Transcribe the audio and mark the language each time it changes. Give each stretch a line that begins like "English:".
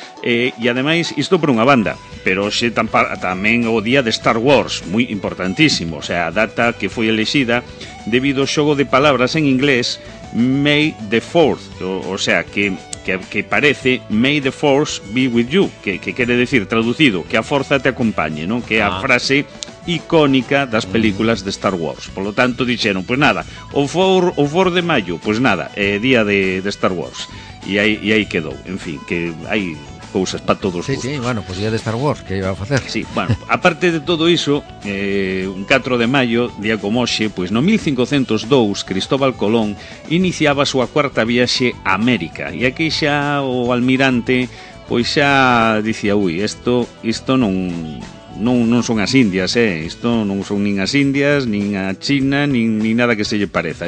Galician: E ademais, isto por unha banda, pero hoxe tamén o día de Star Wars, moi importantísimo, o sea, a data que foi elexida debido ao xogo de palabras en inglés May the Fourth, o sea, que parece
English: May the Force be with you,
Galician: que quere decir, traducido, que a forza te acompañe, non? Que é a frase icónica das películas de Star Wars.
Spanish: Por lo tanto,
Galician: dixeron, pues nada, o for de maio, pues nada, día de Star Wars. E aí quedou, en fin, que hai cousas para todos. Sí, gustos. Sí, bueno, pues día de Star Wars, que iba a facer. Sí, bueno, aparte de todo iso, un 4 de maio, día como hoxe, pues no 1502, Cristóbal Colón iniciaba a súa cuarta viaxe a América. E aquí xa o almirante, pois xa dicía, ui, isto non son as Indias, isto non son nin as Indias, nin a China, nin nada que se lle pareza.